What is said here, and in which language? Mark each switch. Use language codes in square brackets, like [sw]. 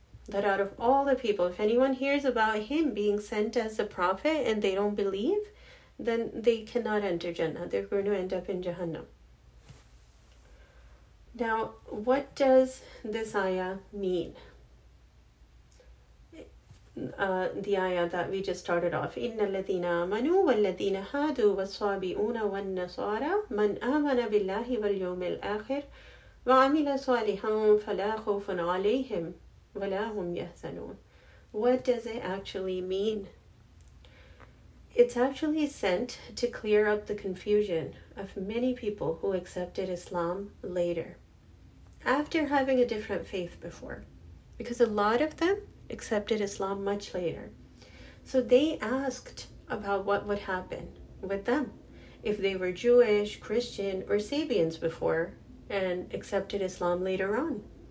[en] That out of all the people, if anyone hears about him being sent as a prophet and they don't believe, then they cannot enter Jannah. They're going to end up in Jahannam. Now, what does this ayah mean? The ayah that we just started off. [ar] إِنَّ الَّذِينَ آمَنُوا وَالَّذِينَ هَادُوا وَالصَّابِئُونَ وَالنَّصَارَى مَنْ آمَنَ بِاللَّهِ وَالْيَوْمِ الْآخِرِ وَعَمِلَ صَالِحًا فَلَا خَوْفٌ عَلَيْهِمْ وَلَا هُمْ يَحْزَنُونَ [en] What does it actually mean? It's actually sent to clear up the confusion of many people who accepted Islam later, after having a different faith before, because a lot of them accepted Islam much later. So they asked about what would happen with them if they were Jewish, Christian, or Sabians before and accepted Islam later on.